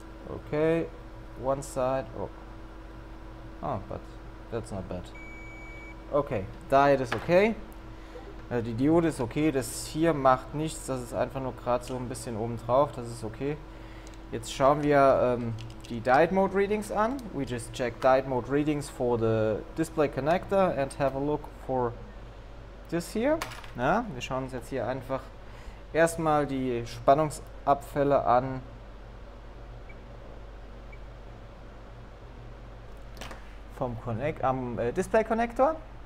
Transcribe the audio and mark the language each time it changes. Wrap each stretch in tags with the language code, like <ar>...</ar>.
<en>Okay, one side. Oh, oh, but that's not bad. Okay, diet is okay.</en> <de>Also die Diode ist okay, das hier macht nichts, das ist einfach nur gerade so ein bisschen oben drauf, das ist okay. Jetzt schauen wir die Diet Mode Readings an.</de> <en>We just check Diet Mode Readings for the Display Connector and have a look for this here.</en> <de>Na, wir schauen uns jetzt hier einfach erstmal die Spannungsabfälle an. Vom Display Connector.</de>